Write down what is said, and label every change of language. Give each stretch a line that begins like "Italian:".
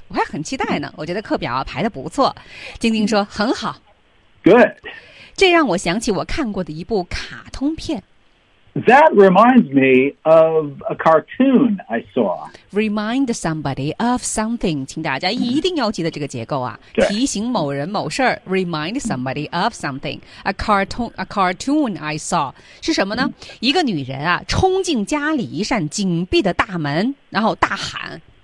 Chinese: 我还很期待呢我觉得课表、排得不错。晶晶说很好。
English: Good.
Chinese: 这让我想起我看过的一部卡通片。
English: That reminds me of a cartoon I saw. Remind somebody of something.
Chinese: 请大家一定要记得这个结构啊。提醒某人某事
English: Remind somebody of something. A cartoon I saw.
Chinese: 是什么呢、一个女人啊冲进家里一扇紧闭的大门然后大喊。